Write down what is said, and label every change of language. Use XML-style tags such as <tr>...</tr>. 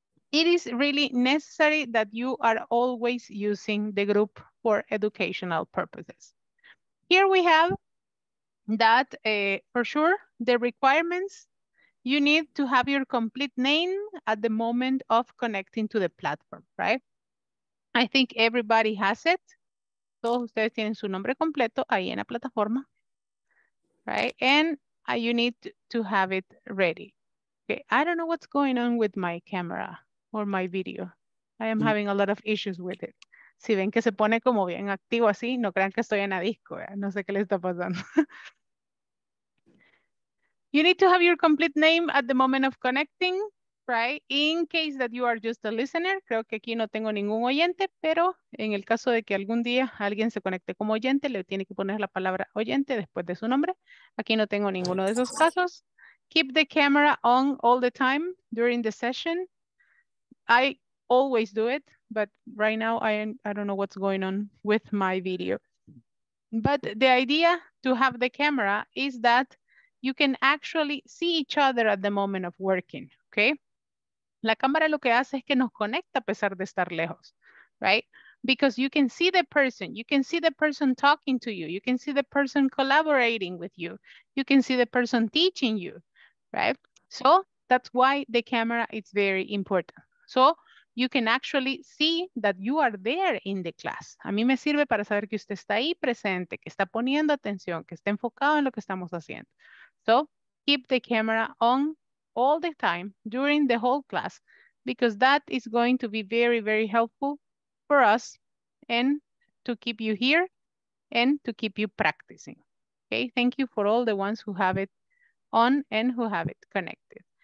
<en>It is really necessary that you are always using the group for educational purposes. Here we have that for sure, the requirements, you need to have your complete name at the moment of connecting to the platform, right? I think everybody has it.</en> <es>Todos ustedes tienen su nombre completo ahí en la plataforma, right?</es> <en>And you need to have it ready. Okay, I don't know what's going on with my camera or my video. I am having a lot of issues with it.</en> <es>Si ven que se pone como bien activo así, no crean que estoy en la disco, ¿eh? No sé qué le está pasando.</es> <en>You need to have your complete name at the moment of connecting, right? In case that you are just a listener,</en> <es>creo que aquí no tengo ningún oyente, pero en el caso de que algún día alguien se conecte como oyente, le tiene que poner la palabra oyente después de su nombre. Aquí no tengo ninguno de esos casos.</es> <en>Keep the camera on all the time during the session. I always do it, but right now I don't know what's going on with my video. But the idea to have the camera is that you can actually see each other at the moment of working, okay?</en> <es>La cámara lo que hace es que nos conecta a pesar de estar lejos, right?</es> <en>Because you can see the person. You can see the person talking to you. You can see the person collaborating with you. You can see the person teaching you, right? So that's why the camera is very important. So you can actually see that you are there in the class.</en> <es>A mí me sirve para saber que usted está ahí presente, que está poniendo atención, que está enfocado en lo que estamos haciendo.</es> <en>So keep the camera on all the time during the whole class because that is going to be very, very helpful for us and to keep you here and to keep you practicing. Okay, thank you for all the ones who have it on and who have it connected.</en>